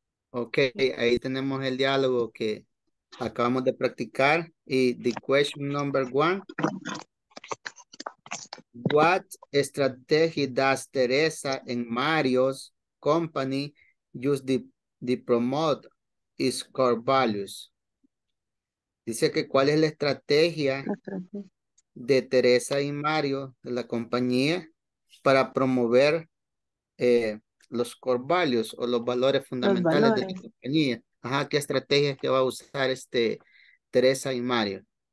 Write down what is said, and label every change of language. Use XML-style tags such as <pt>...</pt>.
<es>Ok, ahí tenemos el diálogo que acabamos de practicar.</es> <en>Y the question number one. What strategy does Teresa and Mario's company use to promote its core values?</en> <es>Dice que cuál es la estrategia de Teresa y Mario, de la compañía, para promover los core values o los valores fundamentales de la compañía. Ajá, ¿qué estrategia que va a usar Teresa y Mario?</es>